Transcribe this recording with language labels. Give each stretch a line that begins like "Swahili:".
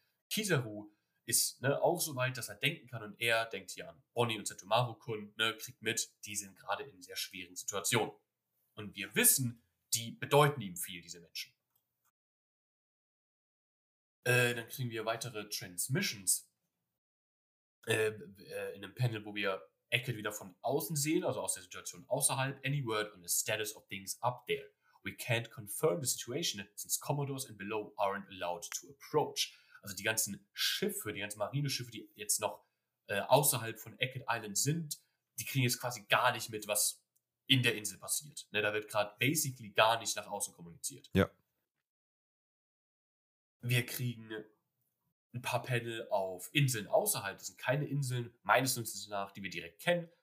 German: Kizaru ist, ne, auch so weit, dass er denken kann, und er denkt hier an Bonnie und Setomaru-kun, ne, kriegt mit, die sind gerade in sehr schwierigen Situationen. Und wir wissen, die bedeuten ihm viel, diese Menschen. Dann kriegen wir weitere Transmissions. In einem Panel, wo wir Eckett wieder von außen sehen, also aus der Situation außerhalb.
English: Any word on the status of things up there? We can't confirm the situation, since Commodores and below aren't allowed to approach.
German: Also die ganzen Schiffe, die ganzen Marineschiffe, die jetzt noch außerhalb von Eckett Island sind, die kriegen jetzt quasi gar nicht mit, was in der Insel passiert. Ne, da wird gerade basically gar nicht nach außen kommuniziert. Ja. Wir kriegen ein paar Panel auf Inseln außerhalb. Das sind keine Inseln, meines Wissens nach, die wir direkt kennen.